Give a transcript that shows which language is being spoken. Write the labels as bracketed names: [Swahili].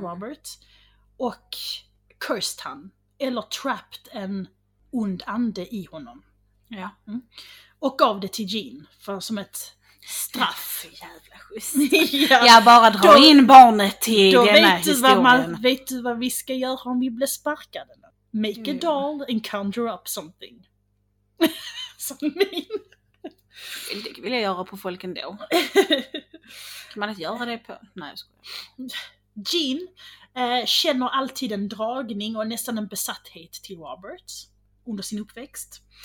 [Swedish] Robert. Och [English] cursed [Swedish] han. Eller [English] trapped [Swedish] en ond ande i honom. Ja. Mm. Och gav det till Jean. För som ett straff. Jävla schysst. Jag bara drar in barnet till då denna vet historien. Vet du vad vi ska göra om vi blir sparkade? [English] Make a doll and conjure up something. [Swedish] Som min. Det vill jag göra på folk ändå. Kan man inte göra det på? Nej, jag skojar. Jean känner alltid en dragning och nästan en besatthet till Robert under sin uppväxt.